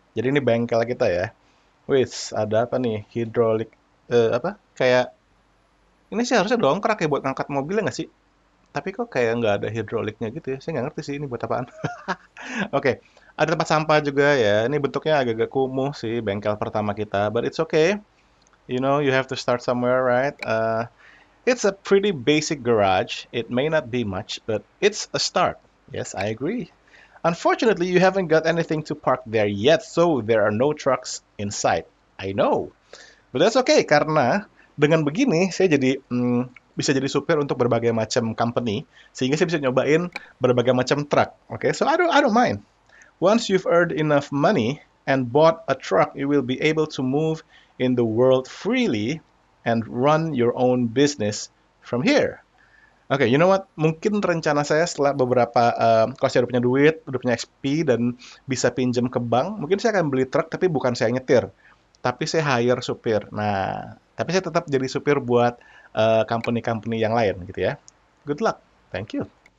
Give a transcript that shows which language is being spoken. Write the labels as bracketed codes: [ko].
[id] Jadi ini bengkel kita ya. Wih, ada apa nih? Hidrolik, apa? Kayak, ini sih harusnya dongkrak ya buat ngangkat mobilnya nggak sih? Tapi kok kayak nggak ada hidroliknya gitu ya? Saya nggak ngerti sih ini buat apaan. Oke, ada tempat sampah juga ya. Ini bentuknya agak-agak kumuh sih, bengkel pertama kita. [en] But it's okay. You know, you have to start somewhere, right? It's a pretty basic garage. It may not be much, but it's a start. Yes, I agree. Unfortunately, you haven't got anything to park there yet, so there are no trucks in sight. I know. But that's okay, [id] karena dengan begini, saya jadi bisa jadi supir untuk berbagai macam company, sehingga saya bisa nyobain berbagai macam truk. [en] Okay, so I don't mind. Once you've earned enough money and bought a truck, you will be able to move in the world freely and run your own business from here. Okay, you know what? [id] Mungkin rencana saya setelah beberapa kalau saya udah punya duit, udah punya XP dan bisa pinjam ke bank, mungkin saya akan beli truk tapi bukan saya nyetir, tapi saya hire supir. Nah, tapi saya tetap jadi supir buat company-company yang lain, gitu ya. [en] Good luck. Thank you.